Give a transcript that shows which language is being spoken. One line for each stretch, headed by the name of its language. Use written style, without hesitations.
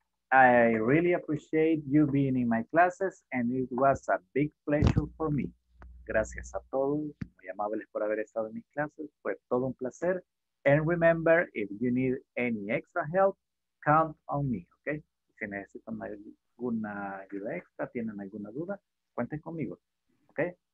English: I really appreciate you being in my classes and it was a big pleasure for me.
Spanish: Gracias a todos. Muy amables por haber estado en mis clases. Fue todo un placer.
English: And remember, if you need any extra help, count on me, okay?
Spanish: Si necesitan alguna ayuda extra, tienen alguna duda, cuenten conmigo, okay?